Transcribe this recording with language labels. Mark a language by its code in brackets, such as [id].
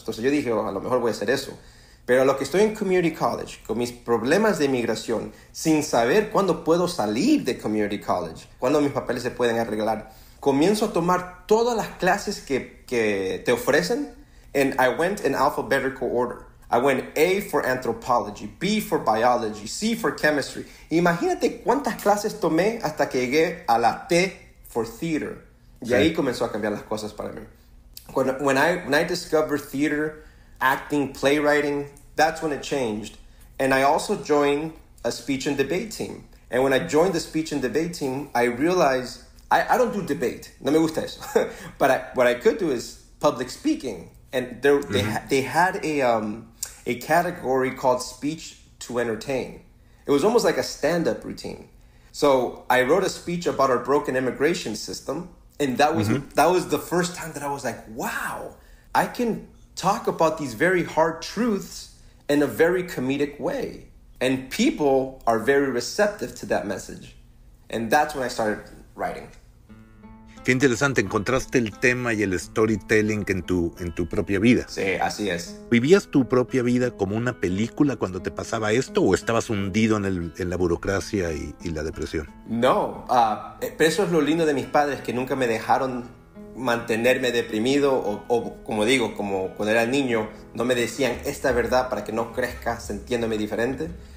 [es] Entonces yo dije, a lo mejor voy a hacer eso. Pero a lo que estoy en community college, con mis problemas de inmigración, sin saber cuándo puedo salir de community college, cuándo mis papeles se pueden arreglar, comienzo a tomar todas las clases que te ofrecen. [en] And I went in alphabetical order. I went A for anthropology, B for biology, C for chemistry. [es] Imagínate cuántas clases tomé hasta que llegué a la T [en] for theater. [es] Y ahí comenzó a cambiar las cosas para mí. [en] When I discovered theater, acting, playwriting, that's when it changed. And I also joined a speech and debate team. And when I joined the speech and debate team, I realized I don't do debate. [es] No me gusta eso. [en] But what I could do is public speaking. And they had a category called speech to entertain. It was almost like a stand-up routine. So I wrote a speech about our broken immigration system. And that was that was the first time that I was like, wow, I can talk about these very hard truths in a very comedic way. And people are very receptive to that message. And that's when I started writing. [es] Qué interesante, encontraste el tema y el storytelling en tu propia vida. Sí, así es. ¿Vivías tu propia vida como una película cuando te pasaba esto o estabas hundido en la burocracia y la depresión? No, pero eso es lo lindo de mis padres, que nunca me dejaron mantenerme deprimido o como digo, como cuando era niño, no me decían esta verdad para que no crezca sintiéndome diferente.